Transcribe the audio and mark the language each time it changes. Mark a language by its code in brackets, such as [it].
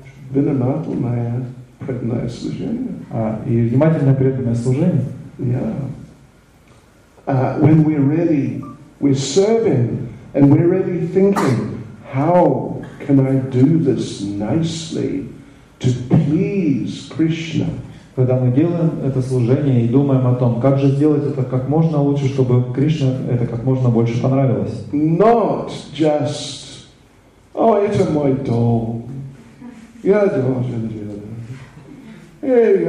[ru] Внимательное преданное служение. И внимательное преданное служение. [en] Yeah. When we're ready, we're serving, and we're ready thinking, how can I do this nicely? To please Krishna. [ru] Когда мы делаем это служение и думаем о том, как же сделать это как можно лучше, чтобы Кришне это как можно больше понравилось. [en] Not just, oh, [ru] это мой долг. Я должен делать.